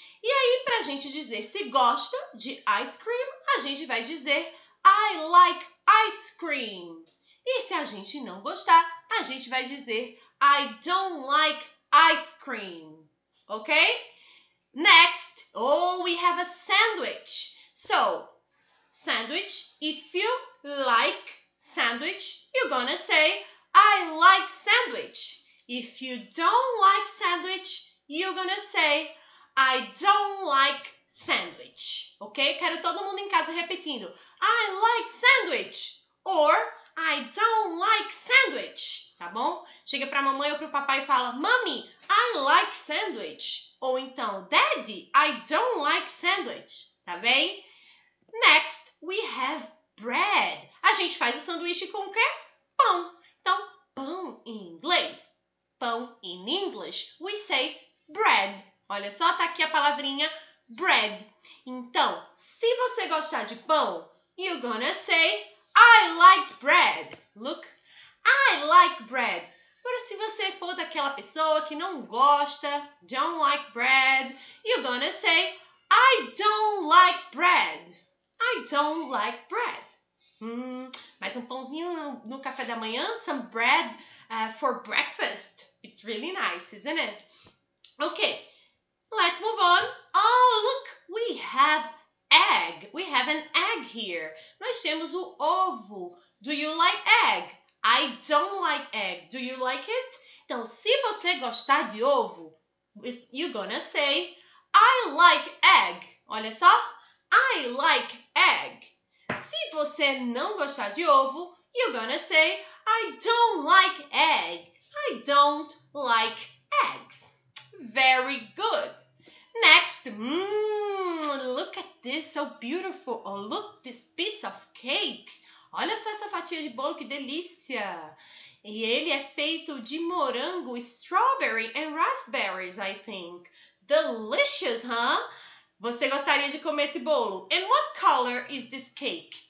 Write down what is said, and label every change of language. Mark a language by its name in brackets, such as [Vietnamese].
[Portuguese] E aí, para a gente dizer se gosta de ice cream, a gente vai dizer [English] I like ice cream. [Portuguese] E se a gente não gostar, a gente vai dizer [English] I don't like ice cream. Ok? Next. Oh, we have a sandwich. So, sandwich, if you like sandwich, you're gonna say, I like sandwich. If you don't like sandwich, you're gonna say, I don't like sandwich. Ok? [Portuguese] Quero todo mundo em casa repetindo. [English] I like sandwich. Or, I don't like sandwich. [Portuguese] Tá bom? Chega pra mamãe ou pro papai e fala, [English] Mommy, I like sandwich. [Portuguese] Ou então, [English] Daddy, I don't like sandwich. [Portuguese] Tá bem? [English] Next, we have bread. [Portuguese] A gente faz o sanduíche com o quê? Pão. Então, pão em inglês. [English] Pão in English, we say bread. [Portuguese] Olha só, tá aqui a palavrinha bread. Então, se você gostar de pão, [English] you're gonna say I like bread. Look, I like bread. [Portuguese] Agora, se você for daquela pessoa que não gosta, [English] don't like bread, you're gonna say, I don't like bread. I don't like bread. [Portuguese] Mais um pãozinho no café da manhã? [English] Some bread for breakfast. It's really nice, isn't it? Okay, let's move on. Oh, look, we have egg. We have an egg here. [Portuguese] Nós temos o ovo. [English] Do you like egg? I don't like egg. Do you like it? [Portuguese] Então, se você gostar de ovo, [English] you're gonna say, I like egg. [Portuguese] Olha só. [English] I like egg. [Portuguese] Se você não gostar de ovo, [English] you're gonna say, I don't like egg. I don't like eggs. Very good. Next, look at this, so beautiful. Oh, look, this piece of cake. [Portuguese] Olha só essa fatia de bolo, que delícia! E ele é feito de morango, [English] strawberry and raspberries, I think. Delicious, huh? [Portuguese] Você gostaria de comer esse bolo? [English] And what color is this cake?